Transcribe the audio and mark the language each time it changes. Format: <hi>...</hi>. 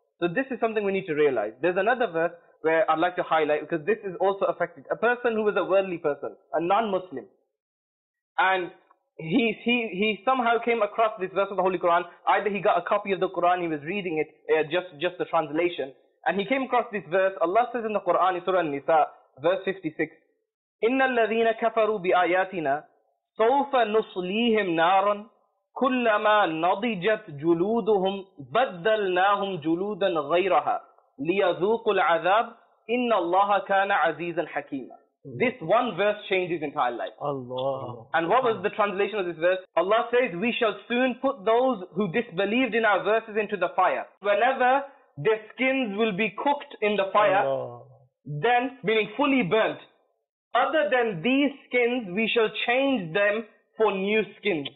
<en>So this is something we need to realize. There's another verse where I'd like to highlight, because this is also affected. A person who is a worldly person, a non-Muslim, and he somehow came across this verse of the Holy Quran. Either he got a copy of the Quran, he was reading it, just the translation, and he came across this verse. Allah says in the Quran, in Surah An-Nisa, verse 56,</en> <ar>إِنَّ الَّذِينَ كَفَرُوا بِآيَاتِنَا سَوْفَ نُصْلِيهِمْ نَارًا كُلَّمَا نَضِجَتْ جُلُودُهُمْ بَدَّلْنَاهُمْ جُلُودًا غَيْرَهَا لِيَذُوقُ الْعَذَابُ إِنَّ اللَّهَ كَانَ عَزِيزًا حَكِيمًا.</ar> <en>This one verse changes entire life. Allah. And what was the translation of this verse? Allah says, we shall soon put those who disbelieved in our verses into the fire. Whenever their skins will be cooked in the fire, Allah. Then, meaning fully burnt, other than these skins, we shall change them for new skins.</en>